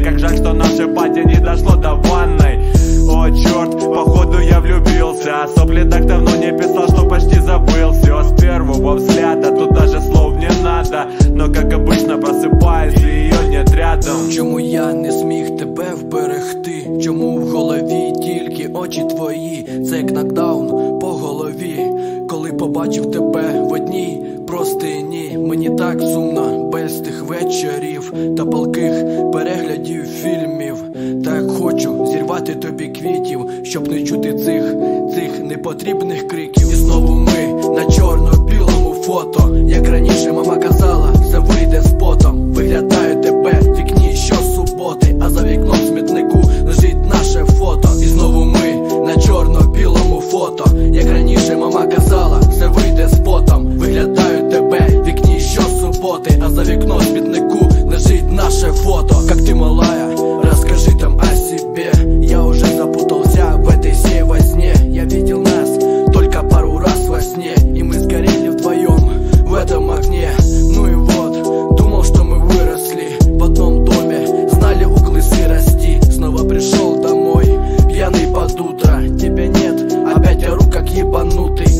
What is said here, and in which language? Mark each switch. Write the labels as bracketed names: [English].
[Russian] Как жаль, что наше батя не дошло до ванной. О, черт, походу я влюбился. Сопли так давно не писал, что почти забыл. Все с первого взгляда, тут даже слов не надо. Но как обычно просыпаюсь, и ее нет рядом. [Ukrainian] Чому я не смог тебе вберегти? Чому в голові тільки очі твої? Це як нокдаун по голові. Коли побачив тебе в одній простині, мені так сумно без тих вечорів та палких переглядів фільмів. Так хочу зірвати тобі квітів, щоб не чути цих непотрібних криків. І знову ми на чорно-білому фото. Як раніше мама казала, все вийде з потом. Виглядаю тебе в вікні щосуботи, а за вікном смітнику лежить наше фото. І знову ми на чорно-білому фото. Як раніше мама казала, все вийде з потом. Виглядаю тебе в вікні щосуботи, а за вікном смітнику лежить наше фото. [Russian] Як ти малая, розкажи там о себе. Я уже запутався в этой всей возне. Я видел нас только пару раз во сне, и мы сгорели вдвоем в этом огне. Ну и вот, думал, что мы выросли в одном доме, знали углы сырости. Снова пришел домой пьяный под утро. Тебя нет, опять ору как ебанутый.